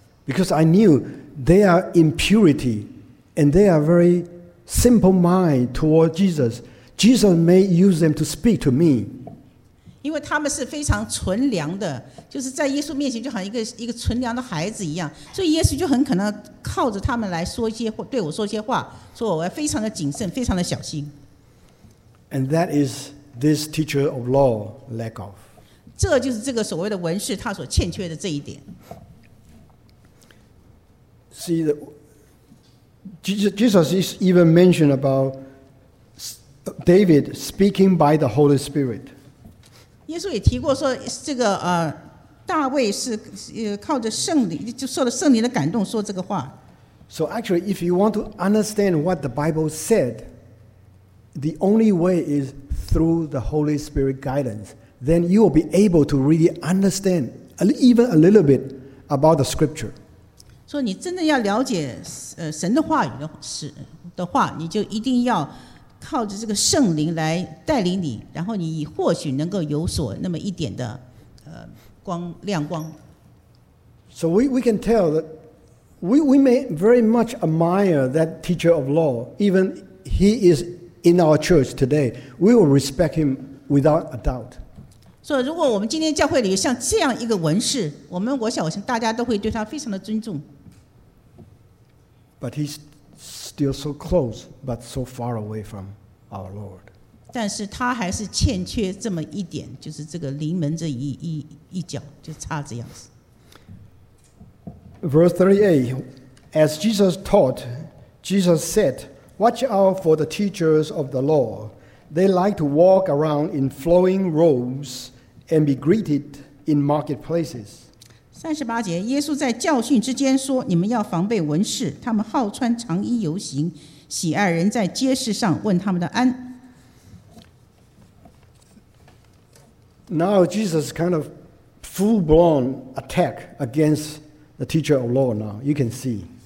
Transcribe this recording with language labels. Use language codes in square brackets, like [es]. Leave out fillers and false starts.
[en] Because I knew they are in purity, and they are very simple mind toward Jesus. Jesus may use them to speak to me. [zh] 因为他们是非常纯良的，就是在耶稣面前就好像一个纯良的孩子一样，所以耶稣就很可能靠着他们来说一些对我说一些话。所以我非常的谨慎，非常的小心。 [en] And that is this teacher of law lack of. [zh] 这就是这个所谓的文士他所欠缺的这一点。 [en] See the Jesus is even mentioned about David speaking by the Holy Spirit. [zh] 耶稣也提过说，这个大卫是靠着圣灵，就受了圣灵的感动说这个话。 [en] So actually, if you want to understand what the Bible said, the only way is through the Holy Spirit guidance. Then you will be able to really understand even a little bit about the Scripture. [zh] So, 你真的要了解神的话语的话，你就一定要靠着这个圣灵来带领你，然后你或许能够有所那么一点的光亮光。 [en] So we can tell that. We may very much admire that teacher of law, even he is in our church today. We will respect him without a doubt. So, if we have such a teacher in our church today, I think everyone will respect him very much. But he's still so close, but so far away from our Lord. But he still lacks just a little bit, just this little bit, just a little bit. Verse 38, as Jesus taught, Jesus said, Watch out for the teachers of the law. They like to walk around in flowing robes and be greeted in marketplaces. [zh] 38节，耶稣在教训之间说，你们要防备文士，他们好穿长衣游行，喜爱人在街市上问他们的安。 [en] Now Jesus kind of full-blown attack againstThe teacher of law now, you can see.